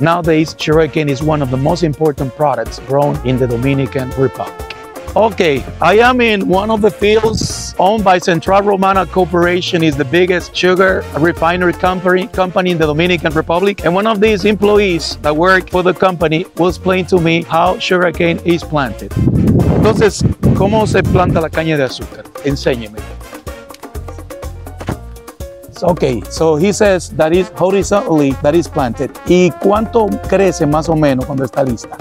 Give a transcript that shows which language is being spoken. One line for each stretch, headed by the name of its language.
English: Nowadays, sugarcane is one of the most important products grown in the Dominican Republic. Okay, I am in one of the fields owned by Central Romana Corporation. Is the biggest sugar refinery company in the Dominican Republic. And one of these employees that work for the company will explain to me how sugarcane is planted.
Spanish: Entonces, ¿cómo se planta la caña de azúcar? Enséñeme.
English: Okay, so he says that is horizontally that is planted.
Spanish: ¿Y cuánto crece más o menos cuando está lista?